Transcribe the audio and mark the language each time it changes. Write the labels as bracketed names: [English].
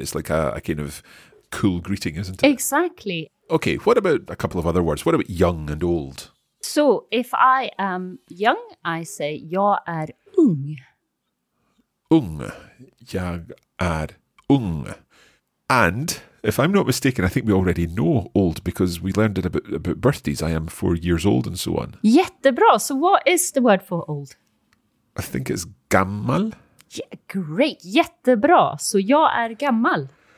[English] It's like a kind of cool greeting, isn't it? Exactly. Okay, what about a couple of other words? What about young and old? So if I am young, I say [Swedish] jag är ung. Ung, jag är ung. [English] And if I'm not mistaken, I think we already know old because we learned it about birthdays. I am 4 years old and so on. Jättebra. So what is the word for old? I think it's gammal. Yeah, great. Jättebra. So [Swedish] jag är gammal.